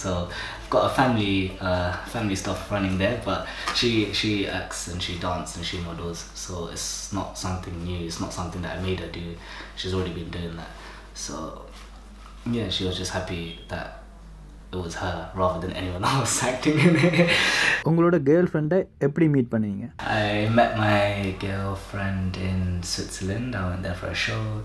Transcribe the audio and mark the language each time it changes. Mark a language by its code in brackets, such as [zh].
[en] So I've got a family stuff running there. But she acts and she dances and she models. So it's not something new. It's not something that I made her do. She's already been doing that. So yeah, she was just happy that it was her rather than anyone else acting in it. [ta] உங்களோட girlfriend-ஐ எப்படி meet பண்ணீங்க? [en] I met my girlfriend in Switzerland. I went there for a show.